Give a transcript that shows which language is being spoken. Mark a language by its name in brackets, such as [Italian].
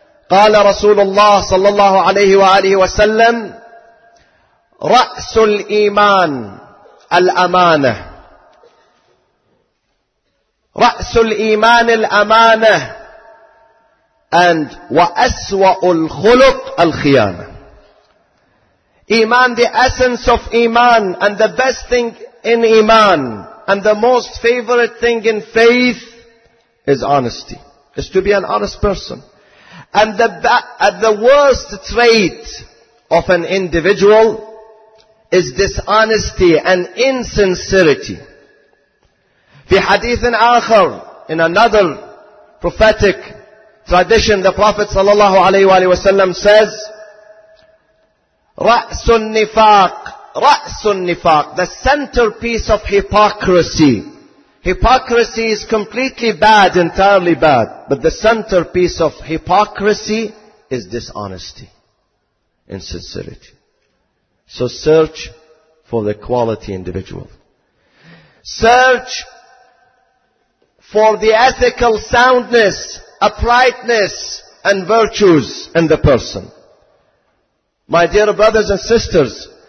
[Arabic] قال رسول الله صلى الله عليه وآله وسلم رأس الإيمان الأمانة رأس الإيمان الأمانة [English] and [Arabic] وأسوأ الخلق الخيانة. [English] Iman, the essence of Iman, and the best thing in Iman and the most favorite thing in faith is honesty, is to be an honest person. And the worst trait of an individual is dishonesty and insincerity. [Arabic] في حديث آخر, [English] in another prophetic tradition, the Prophet [Arabic] صلى الله عليه وآله وسلم [English] says, [Arabic] رأس النفاق, رأس النفاق, [English] the centerpiece of hypocrisy. Hypocrisy is completely bad, entirely bad. But the centerpiece of hypocrisy is dishonesty, insincerity. So search for the quality individual. Search for the ethical soundness, uprightness, and virtues in the person. My dear brothers and sisters,